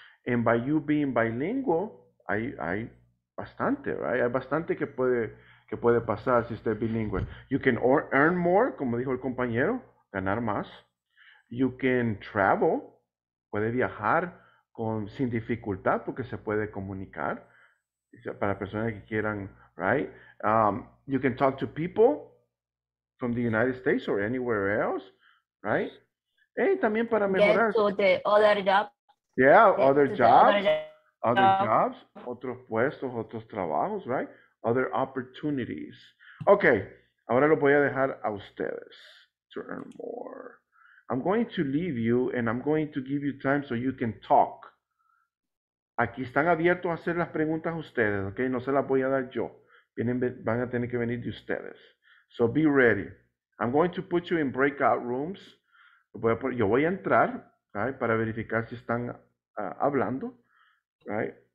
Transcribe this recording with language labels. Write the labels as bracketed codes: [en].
[en] And by you being bilingual, [es] hay bastante, [en] right? [es] Hay bastante que puede pasar si usted es bilingüe. [en] You can earn more, [es] como dijo el compañero, ganar más. [en] You can travel, [es] puede viajar sin dificultad porque se puede comunicar. Para personas que quieran, right? [en] You can talk to people from the United States or anywhere else, right? [es] Hey, también para mejorar. [en] Get to the other job. Yeah, other jobs, [es] otros puestos, otros trabajos, [en] right? Other opportunities. [es] Okay, ahora lo voy a dejar a ustedes [en] to earn more. I'm going to leave you and I'm going to give you time so you can talk. [es] Aquí están abiertos a hacer las preguntas a ustedes, okay? No se las voy a dar yo. Van a tener que venir de ustedes. [en] So be ready. I'm going to put you in breakout rooms. [es] Yo voy a entrar, right, para verificar si están hablando, right?